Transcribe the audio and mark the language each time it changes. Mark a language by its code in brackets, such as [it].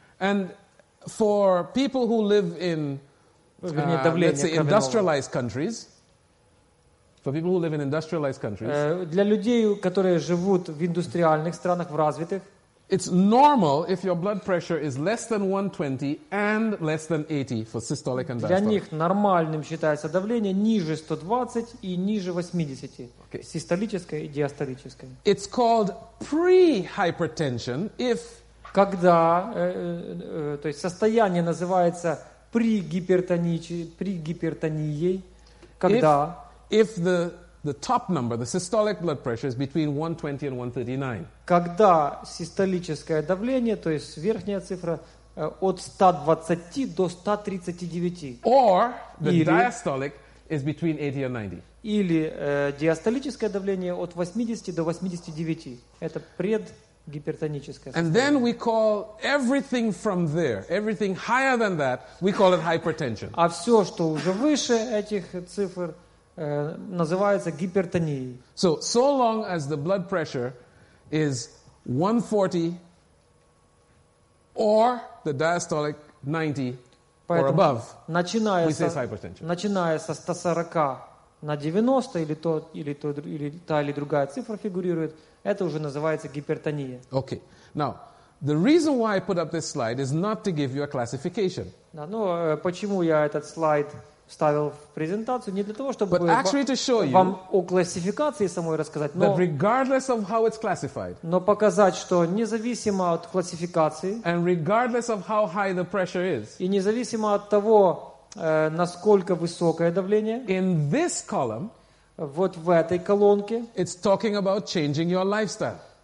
[en] And for people who live in let's say industrialized countries. For people who live in industrialized countries. [ru] Для людей, которые живут в индустриальных странах, в развитых. [en] It's normal if your blood pressure is less than 120 and less than 80 for systolic and diastolic. [ru] Для них нормальным считается давление ниже 120 и ниже 80. [en] Okay. [ru] Систолическое и диастолическое. [en] It's called pre-hypertension if. [ru] Когда, то есть состояние называется при гипертонии, когда [en] if the top number, the systolic blood pressure is between 120 and 139. [ru] Когда систолическое давление, то есть верхняя цифра, от 120 до 139. [en] Or the diastolic is between 80 and 90. [ru] Или диастолическое давление от 80 до 89. Это [en] And then we call everything from there, everything higher than that, we call it hypertension. [ru] А все, что уже выше этих цифр, называется гипертонией. [en] So long as the blood pressure is 140 or the diastolic 90 [ru] Поэтому [en] or above, [ru] начиная [en] we say it's hypertension. [ru] Начиная со 140 на 90 или то, или то, или та или другая цифра фигурирует, это уже называется гипертония. [en] Okay. Now, the reason why I put up this slide is not to give you a classification. [ru] Да, ну, почему я этот слайд вставил в презентацию, не для того, чтобы вам о классификации самой рассказать, [en] regardless of how it's classified, [ru] но показать, что независимо от классификации [en] and regardless of how high the pressure is, [ru] и независимо от того, насколько высокое давление, [en] in this column, [ru] вот в этой колонке [en] it's talking about changing your lifestyle.